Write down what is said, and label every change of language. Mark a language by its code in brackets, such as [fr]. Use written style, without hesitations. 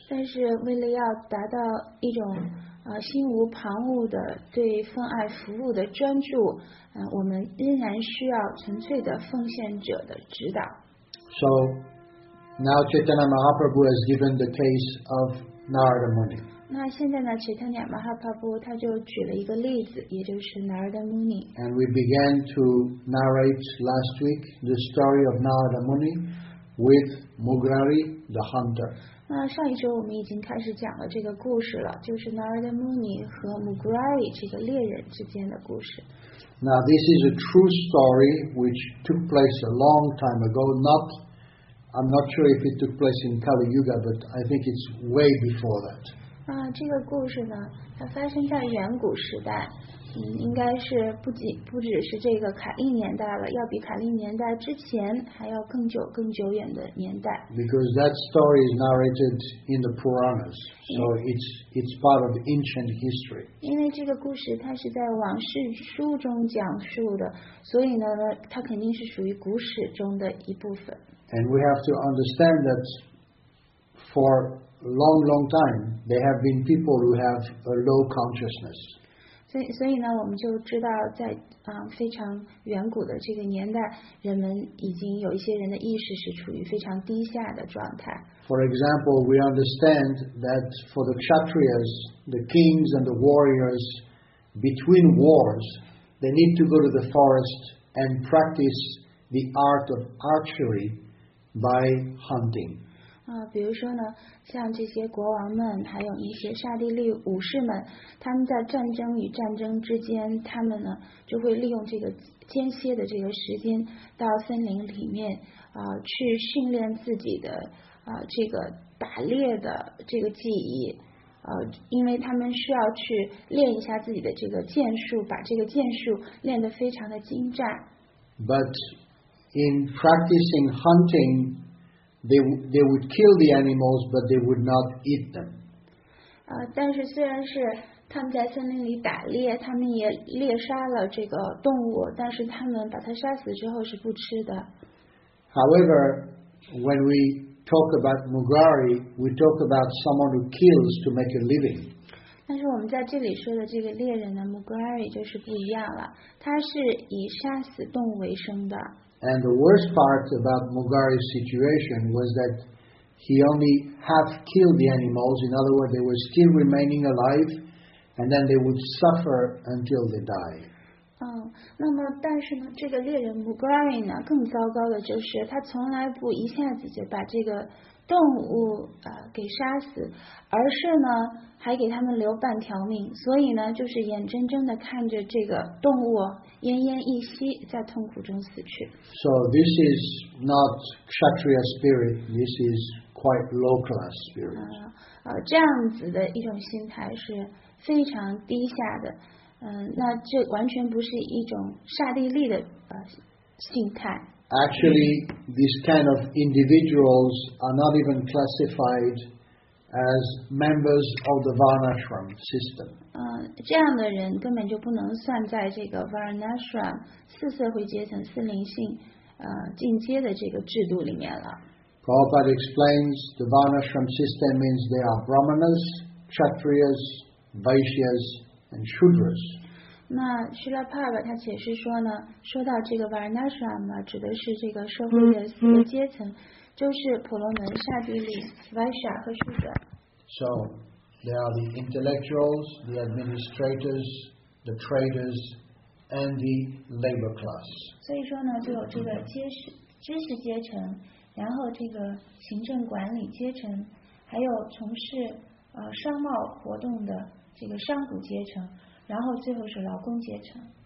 [zh] 但是为了要达到一种心无旁骛的对分爱服务的专注，我们仍然需要纯粹的奉献者的指导。 [en] So. Now Chaitanya Mahaprabhu has given the case of Narada Muni. [zh] 那现在呢 ，Chaitanya Mahaprabhu 他就举了一个例子，也就是 Narada Muni. [en] And we began to narrate last week the story of Narada Muni with Mugrari, the hunter. [zh] 那上一周我们已经开始讲了这个故事了，就是 Narada Muni 和 Mugrari 这个猎人之间的故事。 [en] Now this is a true story which took place a long time ago, not. I'm not sure if it took place in Kali Yuga, but I think it's way before that. [zh] 啊，这个故事呢，它发生在远古时代，应该是不只是这个卡利年代了，要比卡利年代之前还要更久更久远的年代。 [en] Because that story is narrated in the Puranas, so it's part of ancient history. [zh] 因为这个故事它是在往事书中讲述的，所以呢，它肯定是属于古史中的一部分。 [en] And we have to understand that for a long, long time, there have been people who have a low consciousness. [zh] 所以呢，我们就知道在非常远古的这个年代，人们已经有一些人的意识是处于非常低下的状态。 [en] For example, we understand that for the Kshatriyas, the kings and the warriors, between wars, they need to go to the forest and practice the art of archery. By hunting. [zh] 比如说呢，像这些国王们，还有一些刹帝利武士们，他们在战争与战争之间，他们呢就会利用这个间歇的这个时间，到森林里面去训练自己的这个打猎的这个技艺，因为他们需要去练一下自己的这个剑术，把这个剑术练得非常的精湛。 [en] But. In practicing hunting, they would kill the animals, but they would not eat them. [zh] 但是虽然是他们在森林里打猎，他们也猎杀了这个动物，但是他们把它杀死之后是不吃的。 [en] However, when we talk about Mugrari, we talk about someone who kills to make a living. [zh] 但是我们在这里说的这个猎人呢 ，Mugrari 就是不一样了，他是以杀死动物为生的。 [en] And the worst part about Mugrari's situation was that he only half killed the animals. In other words, they were still remaining alive, and then they would suffer until they die. [zh] 那么但是呢，这个猎人 Mugrari 呢，更糟糕的就是他从来不一下子就把这个动物给杀死，而是呢还给他们留半条命，所以呢就是眼睁睁的看着这个动物奄奄一息，在痛苦中死去。 [en] So this is not Kshatriya spirit, this is quite low class spirit. [zh] 这样子的一种心态是非常低下的，那这完全不是一种刹帝利的心态。 [en] Actually, these kind of individuals are not even classified as members of the Varnashram system. [zh] 这样的人根本就不能算在这个 Varnashram 四社会阶层四灵性进阶的这个制度里面了。 [en] Prabhupada explains the Varnashram system means they are Brahmanas, Kshatriyas, Vaishyas, and Shudras. [zh] 那 Srila Prabhupada 他解释说呢，说到这个 Varnashram 呢，指的是这个社会的四个阶层。就是婆罗门、刹帝利、Vaishya 和 Shudra。 [en] So, they are the intellectuals, the administrators, the traders, and the labor class. [zh] 所以说呢，就有这个知识阶层，然后这个行政管理阶层，还有从事商贸活动的这个商贾阶层，然后最后是劳工阶层。